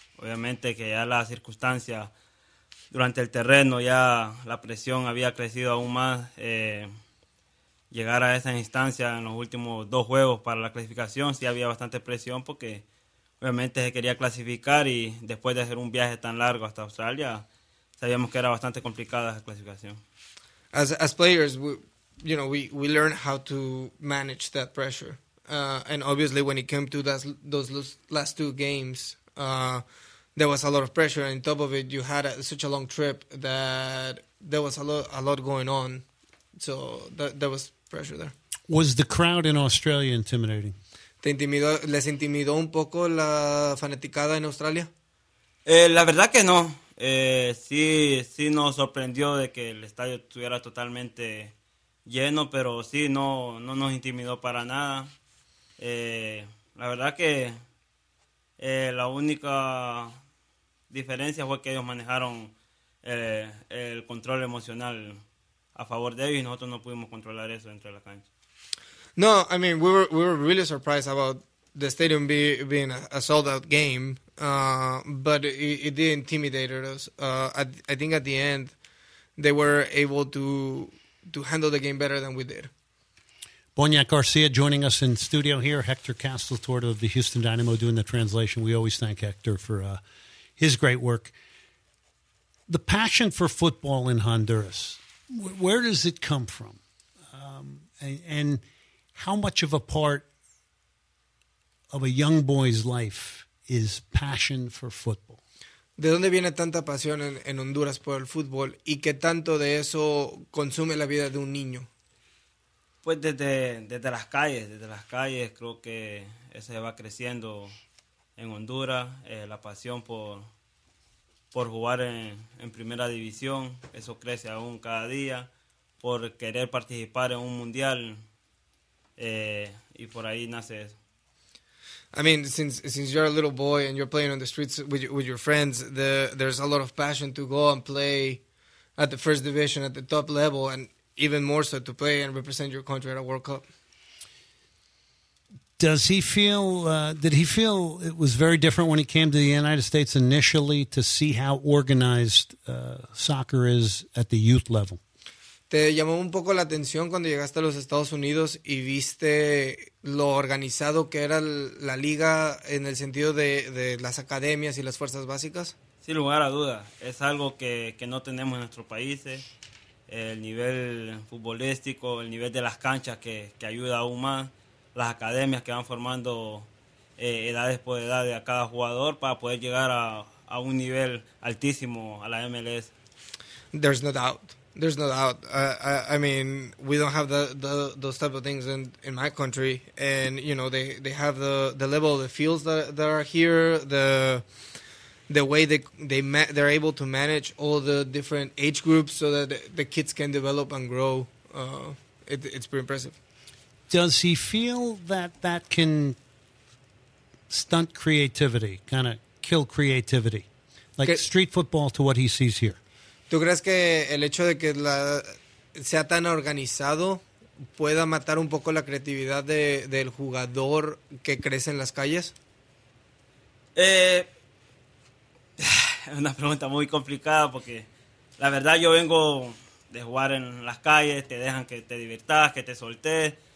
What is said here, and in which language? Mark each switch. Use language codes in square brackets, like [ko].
[es] Obviamente que ya las circunstancias durante el terreno, ya la presión había crecido aún más. Llegar a esa instancia en los últimos dos juegos para la clasificación, sí había bastante presión porque obviamente se quería clasificar y después de hacer un viaje tan largo hasta Australia, sabíamos que era bastante complicada esa clasificación. [en] As players, we learn how to manage that pressure. And obviously when it came to those last two games, there was a lot of pressure. And on top of it, you had such a long trip that there was a lot going on. So there was pressure there. Was the crowd in Australia intimidating? [es] ¿Les intimidó un poco la fanaticada en Australia? La verdad que no. Sí nos sorprendió de que el estadio estuviera totalmente lleno, pero sí, no nos intimidó para nada. La verdad que la única diferencia fue que ellos manejaron el control emocional a favor de ellos y nosotros no pudimos controlar eso dentro de la cancha. [en] No, I mean, we were really surprised about the stadium being a sold-out game, but it did intimidate us. I think at the end, they were able to handle the game better than we did. Boñac García joining us in studio here. Hector Castletort of the Houston Dynamo doing the translation. We always thank Hector for his great work. The passion for football in Honduras, where does it come from? And how much of a part of a young boy's life is passion for football? [es] ¿De dónde viene tanta pasión en Honduras por el fútbol? ¿Y qué tanto de eso consume la vida de un niño? Pues desde las calles creo que eso se va creciendo en Honduras. La pasión por jugar en primera división, eso crece aún cada día. Por querer participar en un mundial, y por ahí nace eso. I mean, since you're a little boy and you're playing on the streets with your friends, there's a lot of passion to go and play at the first division, at the top level, and even more so to play and represent your country at a World Cup. [en] Does he feel, did he feel it was very different when he came to the United States initially to see how organized soccer is at the youth level? [es] ¿Te llamó un poco la atención cuando llegaste a los Estados Unidos y viste lo organizado que era la liga en el sentido de las academias y las fuerzas básicas? Sin lugar a duda, es algo que no tenemos en nuestros países. El nivel futbolístico, el nivel de las canchas que ayuda aún más, las academias que van formando edades por edad a cada jugador para poder llegar a un nivel altísimo a la MLS. [en] There's no doubt. There's no doubt. I mean, we don't have those type of things in my country, and you know they have the level of the fields that are here, the way they're able to manage all the different age groups so that the kids can develop and grow. It's pretty impressive. Does he feel that can stunt creativity, kind of kill creativity, like street football to what he sees here? [es] ¿Tú crees que el hecho de que sea tan organizado pueda matar un poco la creatividad del jugador que crece en las calles? Es una pregunta muy complicada porque la verdad yo vengo de jugar en las calles, te dejan que te diviertas, que te soltes.